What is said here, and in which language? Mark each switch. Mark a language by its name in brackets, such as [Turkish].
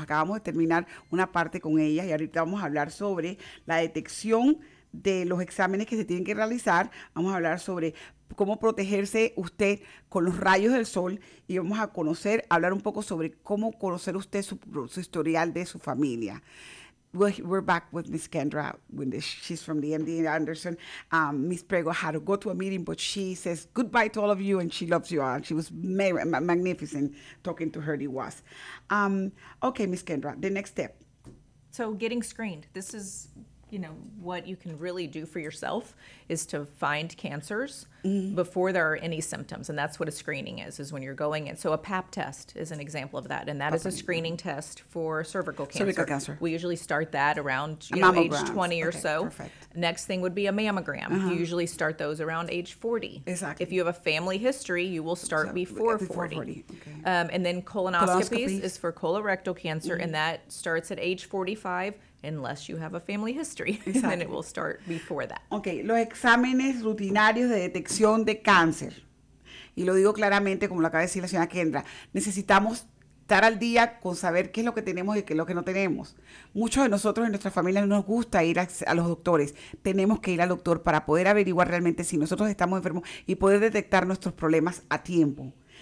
[Spanish] Acabamos de terminar una parte con ellas y ahorita vamos a hablar sobre la detección de los exámenes que se tienen que realizar. Vamos a hablar sobre cómo protegerse usted con los rayos del sol, y vamos a conocer, hablar un poco sobre cómo conocer usted su historial de su familia. [English] We're back with Miss Kendra. She's from the MD Anderson. Miss Prego had to go to a meeting, but she says goodbye to all of you, and she loves you all. She was magnificent talking to her. Okay, Miss Kendra, the next step. So getting screened. This is, you know, what you can really do for yourself is to find cancers before there are any symptoms. And that's what a screening is when you're going in. So a pap test is an example of that. And that is a screening test for cervical cancer. Cervical cancer. We usually start that around, you know, age 20 or so. Perfect. Next thing would be a mammogram. Uh-huh. You usually start those around age 40. Exactly. If you have a family history, you will start before 40. Okay. And then colonoscopies is for colorectal cancer. Mm-hmm. And that starts at age 45. Unless you have a family history, then it will start before that. [Spanish] Okay, los exámenes rutinarios de detección de cáncer. Y lo digo claramente, como lo acaba de decir la señora Kendra, necesitamos estar al día con saber qué es lo que tenemos y qué es lo que no tenemos. Muchos de nosotros en nuestra familia no nos gusta ir a los doctores. Tenemos que ir al doctor para poder averiguar realmente si nosotros estamos enfermos y poder detectar nuestros problemas a tiempo.